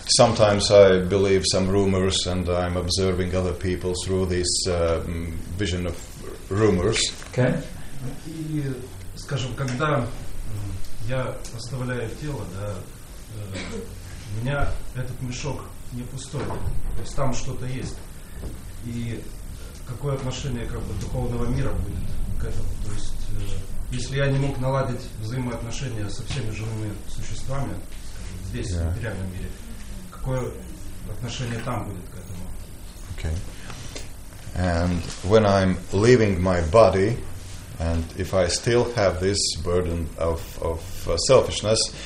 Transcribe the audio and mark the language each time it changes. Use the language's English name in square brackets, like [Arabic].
[English] Sometimes I believe some rumors, and I'm observing other people through this vision of rumors. Okay. [Russian] И, скажем, когда я оставляю тело, да, у меня этот мешок не пустой, то есть там что-то есть. И какое отношение, как бы, духовного мира будет к этому? То есть. Если я не мог наладить взаимоотношения со всеми живыми существами, скажем, здесь, [English] yeah. [Russian] в материальном мире, какое отношение там будет к этому? [English] Okay. And when I'm leaving my body, and if I still have this burden of selfishness,